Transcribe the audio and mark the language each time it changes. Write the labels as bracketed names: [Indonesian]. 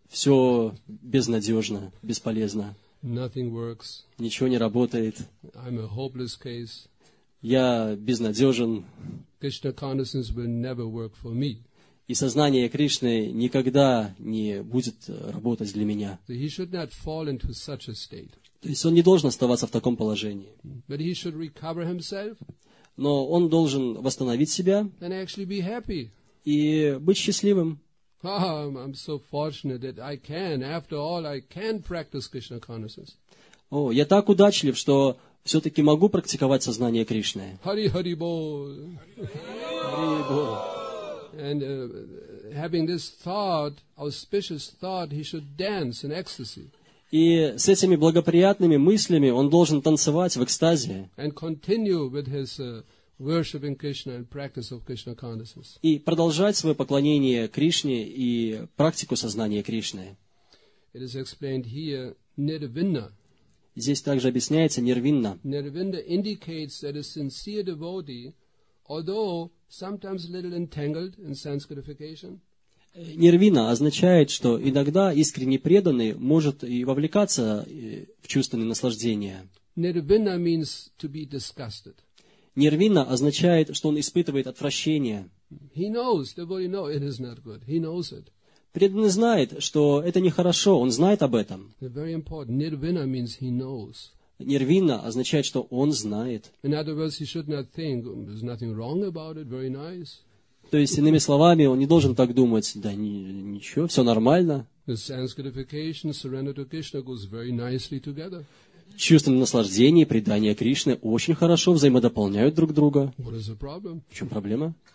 [Russian] Все безнадежно, бесполезно. [English] Nothing works. [Russian] Ничего не работает. [English] I'm a hopeless case. [Russian] Я безнадежен. [English] Krishna consciousness will never work for me. [Russian] И сознание Кришны никогда не будет работать для меня. [English] So he should not fall into such a state. [Russian] То есть он не должен оставаться в таком положении. [English] But he should recover himself. [Russian] Но он должен восстановить себя. [English] And actually be happy. [Russian] И быть счастливым. [English] I'm so fortunate that I can, after all, I can practice Krishna consciousness. [Russian] О, я так удачлив, что все-таки могу практиковать сознание Кришны. [Bangla] Hari Hari Bol. Hari Bol. [English] And having this thought, auspicious thought, he should dance in ecstasy. [Russian] И с этими благоприятными мыслями он должен танцевать в экстазе. [English] And continue with his worshiping Krishna and practice of Krishna consciousness. [Russian] И продолжать свое поклонение Кришне и практику сознания Кришны. [English] It is explained here, nirvinna. [Russian] Здесь также объясняется нирвинна. [English] Nirvinna indicates that a sincere devotee, although sometimes a little entangled in sense gratification. [Russian] Нирвина означает, что иногда искренне преданный может и вовлекаться в чувственные наслаждения. [English] Nirvana means to be disgusted. [Russian] Нирвина означает, что он испытывает отвращение. [English] He knows, the body knows it is not good. He knows it. [Russian] Преданный знает, что это нехорошо, он знает об этом. [English] Very important. Nirvana means he knows. [Russian] Нирвина означает, что он знает. [English] In other words, he should not think there's nothing wrong about it, very nice. [Russian] То есть, иными словами, он не должен так думать, да ничего, все нормально. Чувственное наслаждение и предание Кришны очень хорошо взаимодополняют друг друга. В чем проблема?